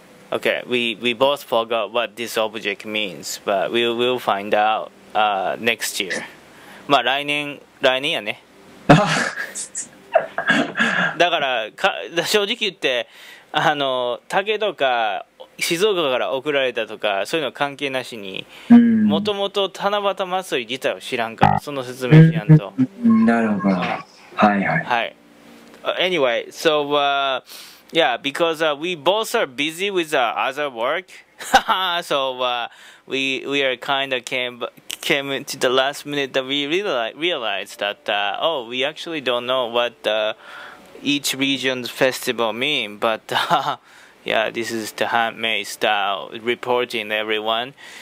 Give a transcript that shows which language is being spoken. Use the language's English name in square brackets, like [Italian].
[English] Okay, we both forgot what this object means, but we'll find out next year. [Japanese] まあ来年やね。だから正直言って竹とか。静岡から送られたとかそういうの関係なしに、もともと七夕祭り自体を知らんから、その説明しやんと。なるほど、はいはいはい。 [English] Anyway, so yeah, because we both are busy with our other work, so we are kind of came into the last minute that we realized that oh, we actually don't know what each region's festival mean, but Yeah, this is the handmade style reporting, everyone.